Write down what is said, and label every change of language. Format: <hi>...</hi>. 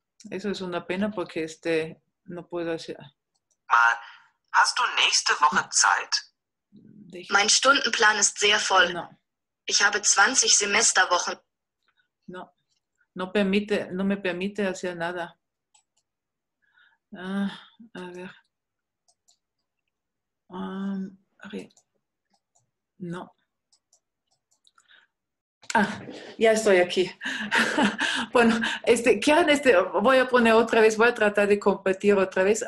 <es>Eso es una pena porque no puedo hacer.</es> <de>¿Hast du nächste Woche Zeit? Mein Stundenplan ist sehr voll. No. Ich habe 20 Semesterwochen.</de> <es>No. No me permite hacer nada. A ver. No. Ah, ya estoy aquí. Bueno, Kian, voy a poner otra vez, voy a tratar de compartir otra vez.</es>